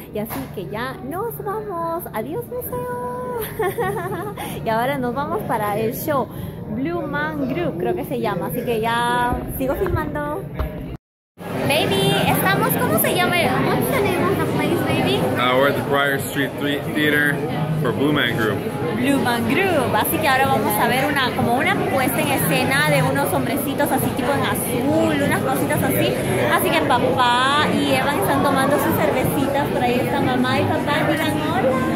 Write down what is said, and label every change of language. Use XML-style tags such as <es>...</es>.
<es>Y así que ya nos vamos. ¡Adiós, museo! Y ahora nos vamos para el show Blue Man Group, creo que se llama. Así que ya sigo filmando. Baby, estamos, ¿cómo se llama? ¿Dónde tenemos la place, baby?</es> <en>We're at the Briar Street Theater for Blue Man Group.</en> <es>Blue Man Group, así que ahora vamos a ver una puesta en escena de unos hombrecitos así tipo en azul, unas cositas así. Así que papá y Evan están tomando sus cervecitas, por ahí está mamá y papá, digan hola.</es>